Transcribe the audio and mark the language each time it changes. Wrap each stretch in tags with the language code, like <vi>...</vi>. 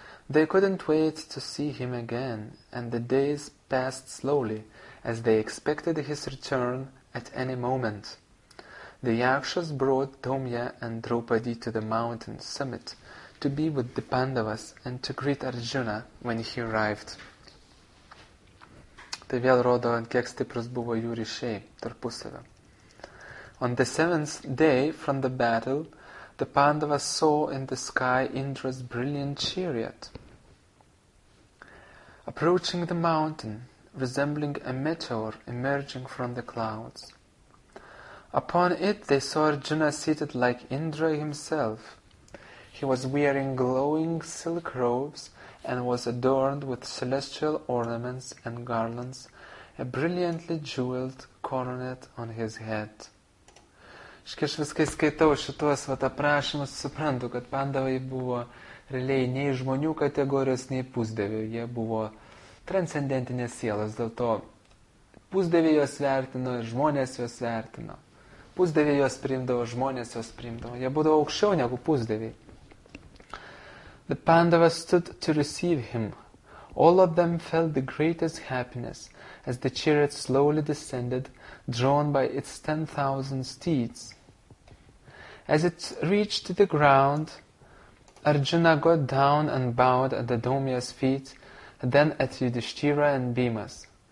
<en>They couldn't wait to see him again, and the days passed slowly, as they expected his return at any moment. The Yakshas brought Domya and Draupadi to the mountain summit to be with the Pandavas and to greet Arjuna when he arrived.</en> <lt>Tai vėl rodo, kiek stiprus buvo jų ryšiai tarpusavio.</lt> <en>On the seventh day from the battle, the Pandavas saw in the sky Indra's brilliant chariot approaching the mountain, resembling a meteor emerging from the clouds. Upon it they saw Arjuna seated like Indra himself. He was wearing glowing silk robes and was adorned with celestial ornaments and garlands, a brilliantly jeweled coronet on his head.</en> <lt>Aš viskai skaitau šituos aprašymus, suprantu, kad Pandavai buvo realiai nei žmonių kategorijos, nei pusdėvių. Jie buvo transcendentinės sielos, dėl to pusdėviai juos vertino ir žmonės juos vertino. Pusdėviai juos priimdavo, žmonės juos priimdavo. Jie būdavo aukščiau negu pusdėviai.</lt> <en>The Pandavas stood to receive him. All of them felt the greatest happiness as the chariot slowly descended, drawn by its 10,000 steeds. As it reached the ground, Arjuna got down and bowed at the Domya's feet, then at Yudhishthira and Bhima's.</en>